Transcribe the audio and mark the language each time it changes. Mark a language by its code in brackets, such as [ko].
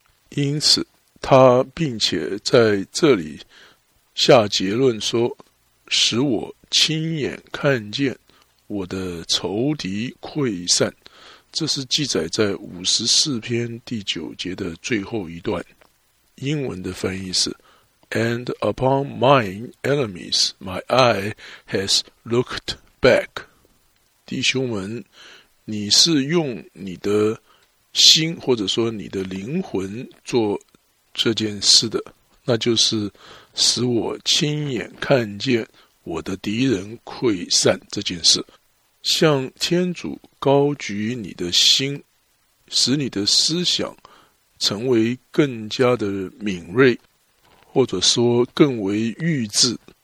[zh] 因此他并且在这里下结论说，使我亲眼看见我的仇敌溃散。这是记载在54篇第9节的最后一段。英文的翻译是 [en] And upon my enemies my eye has looked back. [zh] 弟兄们，你是用你的心或者说你的灵魂做这件事的，那就是使我亲眼看见我的敌人溃散这件事。向天主高举你的心，使你的思想成为更加的敏锐，或者说更为睿智。